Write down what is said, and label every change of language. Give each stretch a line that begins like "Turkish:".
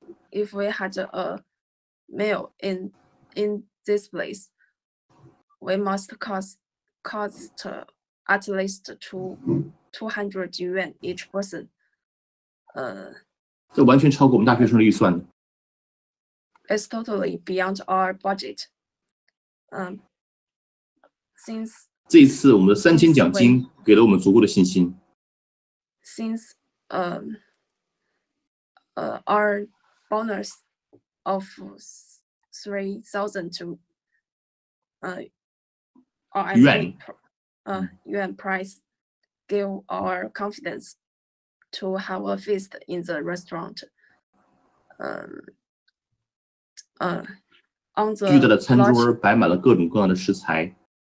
English: Because if we had a meal in this place, we must cost at least 200 yuan each person.
Chinese: 这完全超过我们大学生的预算。
English: It's totally beyond our budget. Since
Chinese: 这一次我们的3000奖金给了我们足够的信心。
English: Since our bonus of 3,000 yuan price gave our confidence to have a feast in the restaurant. On the
Chinese: 巨大的餐桌摆满了各种各样的食材。